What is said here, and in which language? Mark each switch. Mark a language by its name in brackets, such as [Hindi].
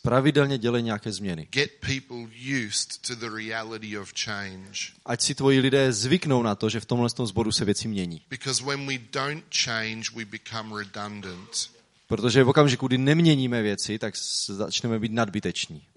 [Czech] Pravidelně dělej nějaké změny. [English] Get people used to the reality of change. [Czech] Ať si tvoji lidé zvyknou na to, že v tomhle sboru se věci mění. [English] Because when we don't change, we become redundant. [Czech] Protože v okamžiku, kdy neměníme věci, tak začneme být nadbyteční.